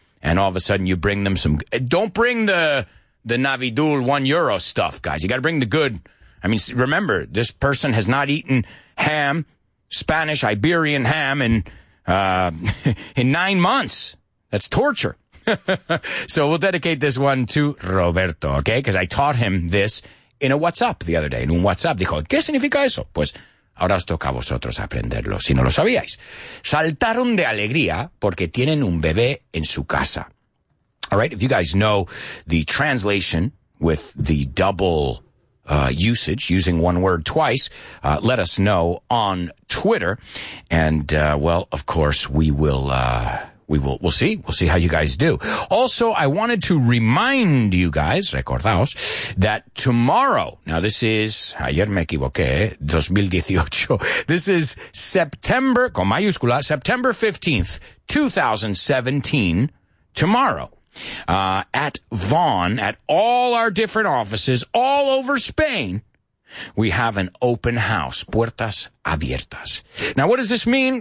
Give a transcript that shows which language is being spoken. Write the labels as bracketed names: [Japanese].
[English] And all of a sudden you bring them some... Don't bring the Navidul 1 euro stuff, guys. You got to bring the good... I mean, remember, this person has not eaten ham, Spanish Iberian ham, in 9 months. That's torture. So we'll dedicate this one to Roberto, okay? Because I taught him this in a WhatsApp the other day. In WhatsApp, [Spanish] dijo, ¿qué significa eso? Pues ahora os toca a vosotros aprenderlo, si no lo sabíais. Saltaron de alegría porque tienen un bebé en su casa. [English] All right, if you guys know the translation with the double usage, using one word twice, let us know on Twitter. And, well, of course, we'll see how you guys do. Also, I wanted to remind you guys, [Spanish] recordaos, [English] that tomorrow, now this is, [Spanish] ayer me equivoqué, [English] 2018, this is September, [Spanish] con mayúscula, [English] September 15th, 2017, tomorrow, at Vaughn, at all our different offices all over Spain, we have an open house, [Spanish] puertas abiertas. [English] Now, what does this mean?